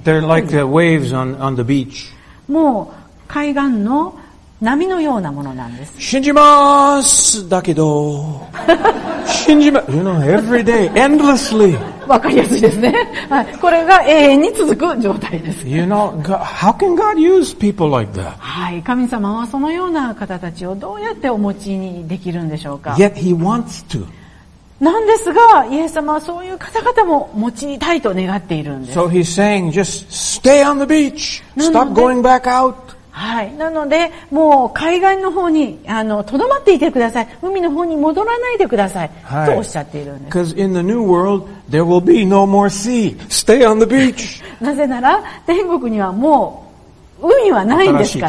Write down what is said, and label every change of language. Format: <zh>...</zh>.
<en>They're like the waves on the beach。</en> <ja>もう海岸の波のようなものなんです。信じますだけど、信じます。</ja> <en>You know, every day, endlessly。</en> <ja>わかりやすいですね。はい。これが永遠に続く状態です。</ja> <en>You know, how can God use people like that?</en> <ja>はい。神様はそのような方たちをどうやってお持ちにできるんでしょうか。</ja> <en>Yet he wants to.</en> <ja>なんですが、イエス様はそういう方々も持ちたいと願っているんです。</ja> <en>So he's saying, just stay on the beach. Stop going back out.</en> <ja>はい。なので、もう海岸の方に、留まっていてください。海の方に戻らないでください。はい、とおっしゃっているんです。</ja> <en>Because in the new world, there will be no more sea. Stay on the beach.</en> <ja>なぜなら、天国にはもう、海はないんですから。</ja>